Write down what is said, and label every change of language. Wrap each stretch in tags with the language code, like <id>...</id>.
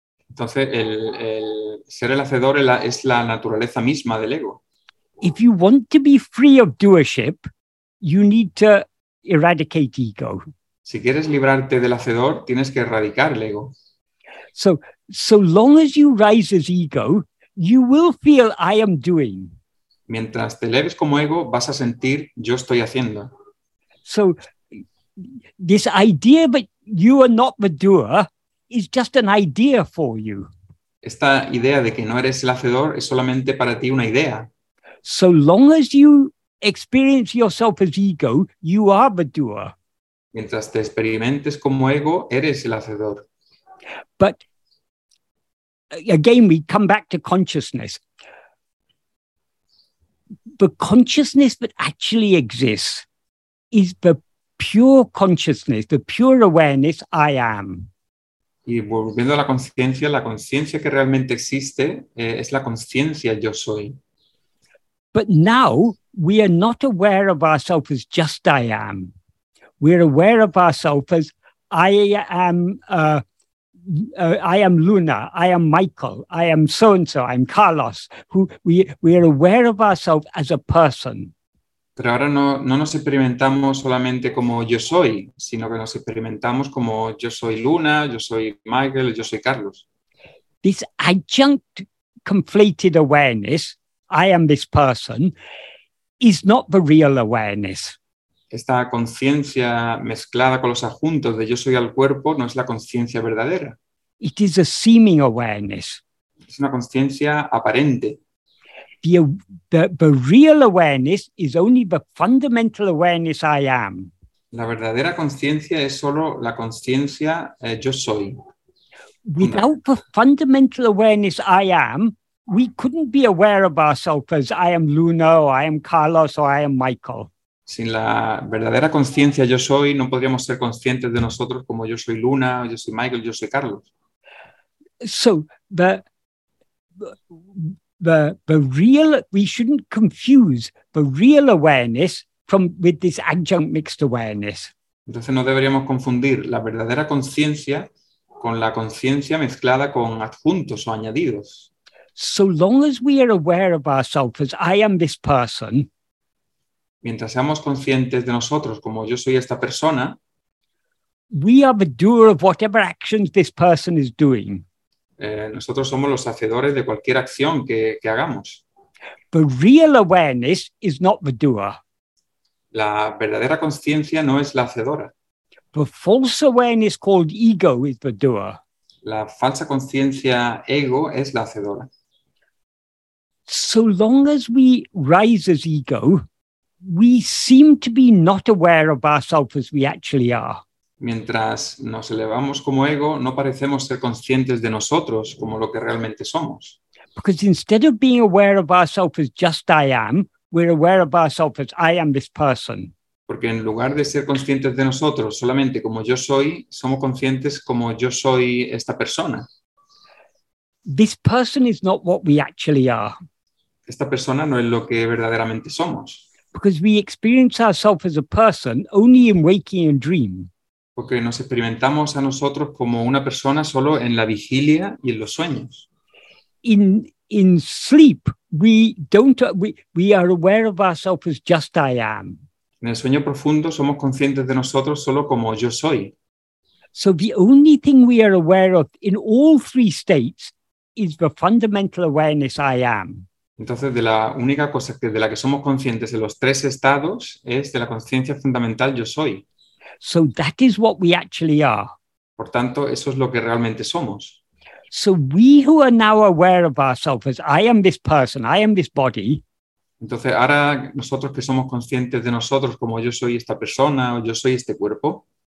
<es>Entonces, el ser el hacedor es la naturaleza misma del ego.</es> <en>If you want to be free of doership, you need to eradicate ego.</en> <es>Si quieres librarte del hacedor, tienes que erradicar el ego.</es> <en>So long as you rise as ego, you will feel I am doing.</en> <es>Mientras te eleves como ego, vas a sentir yo estoy haciendo.</es> <en>So this idea that you are not the doer is just an idea for you.</en> <es>Esta idea de que no eres el hacedor es solamente para ti una idea.</es> <en>So long as you experience yourself as ego, you are the doer.</en> <es>Mientras te experimentes como ego, eres el hacedor.</es> <en>But again, we come back to consciousness. The consciousness that actually exists is the pure consciousness, the pure awareness I am.</en> <es>Y volviendo a la conciencia que realmente existe es la conciencia yo soy.</es> <en>But now we are not aware of ourselves as just I am. We're aware of ourselves as I am Luna, I am Michael, I am so-and-so, I'm Carlos. We are aware of ourselves as a person.</en> <es>Pero ahora no nos experimentamos solamente como yo soy, sino que nos experimentamos como yo soy Luna, yo soy Michael, yo soy Carlos.</es> <en>This adjunct conflated awareness, I am this person, is not the real awareness.</en> <es>Esta conciencia mezclada con los adjuntos de yo soy al cuerpo no es la conciencia verdadera.</es> <en>It is a seeming awareness.</en> <es>Es una conciencia aparente.</es> <en>The real awareness is only the fundamental awareness I am.</en> <es>La verdadera conciencia es solo la conciencia yo soy.</es> <en>Without the fundamental awareness I am, we couldn't be aware of ourselves as I am Luna, or I am Carlos, or I am Michael.</en> <es>Sin la verdadera conciencia yo soy, no podríamos ser conscientes de nosotros como yo soy Luna, yo soy Michael, yo soy Carlos.</es> <en>So the real, we shouldn't confuse the real awareness with this adjunct mixed awareness.</en> <es>Entonces no deberíamos confundir la verdadera conciencia con la conciencia mezclada con adjuntos o añadidos.</es> <en>So long as we are aware of ourselves as I am this person,</en> <es>mientras seamos conscientes de nosotros como yo soy esta persona,</es> <en>we are the doer of whatever actions this person is doing.</en> <es>Nosotros somos los hacedores de cualquier acción que hagamos.</es> <en>The real awareness is not the doer.</en> <es>La verdadera conciencia no es la hacedora.</es> <en>The false awareness called ego is the doer.</en> <es>La falsa conciencia ego es la hacedora.</es> <en>So long as we rise as ego, we seem to be not aware of ourselves as we actually are.</en> <es>Mientras nos elevamos como ego, no parecemos ser conscientes de nosotros como lo que realmente somos.</es> <en>Because instead of being aware of ourselves as just I am, we're aware of ourselves as I am this person.</en> <es>Porque en lugar de ser conscientes de nosotros solamente como yo soy, somos conscientes como yo soy esta persona.</es> <en>This person is not what we actually are.</en> <es>Esta persona no es lo que verdaderamente somos.</es> <en>Because we experience ourselves as a person only in waking and dream.</en> <es>Porque nos experimentamos a nosotros como una persona solo en la vigilia y en los sueños.</es> <en>In sleep, we are aware of ourselves as just I am.</en> <es>En el sueño profundo somos conscientes de nosotros solo como yo soy.</es> <en>So the only thing we are aware of in all three states is the fundamental awareness I am.</en> <es>Entonces, de la única cosa de la que somos conscientes en los tres estados es de la conciencia fundamental yo soy.</es> <en>So that is what we actually are.</en> <es>Por tanto, eso es lo que realmente somos.</es> <en>So we who are now aware of ourselves as I am this person, I am this body.</en> <es>Entonces, ahora nosotros que somos conscientes de nosotros como yo soy esta persona o yo soy este cuerpo,</es>